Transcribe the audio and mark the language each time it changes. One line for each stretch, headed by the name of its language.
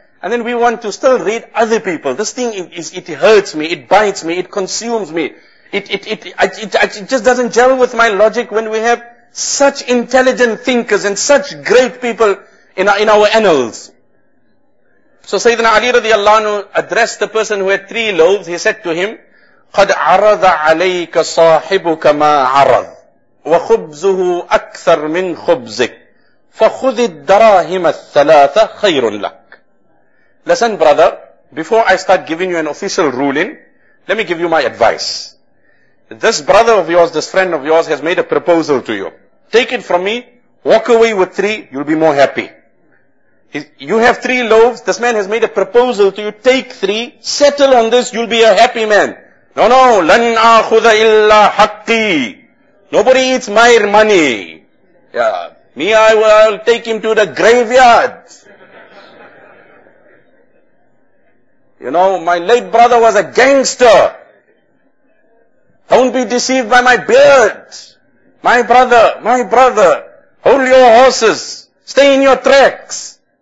English: And then we want to still read other people. This thing is, it hurts me, it bites me, it consumes me. It just doesn't gel with my logic when we have such intelligent thinkers and such great people in our annals. So Sayyidina Ali radiallahu anhu addressed the person who had 3 loaves. He said to him,
Arabic: قَدْ عَرَضَ عَلَيْكَ صَاحِبُكَ مَا عَرَضَ وَخُبْزُهُ أَكْثَرْ مِنْ خُبْزِكَ فَخُذِ الدَّرَاهِمَ الثَّلَاثَ خَيْرٌ لَكَ.
English: Listen, brother, before I start giving you an official ruling, let me give you my advice. This brother of yours, this friend of yours, has made a proposal to you. Take it from me, walk away with 3, you'll be more happy. You have 3 loaves, this man has made a proposal to you, take 3, settle on this, you'll be a happy man.
Arabic: No, لَنْ أَخُذَ إِلَّا حَقِّي.
English: Nobody eats my money. Yeah, me, I'll take him to the graveyard. You know, my late brother was a gangster. Don't be deceived by my beard. My brother, hold your horses, stay in your tracks.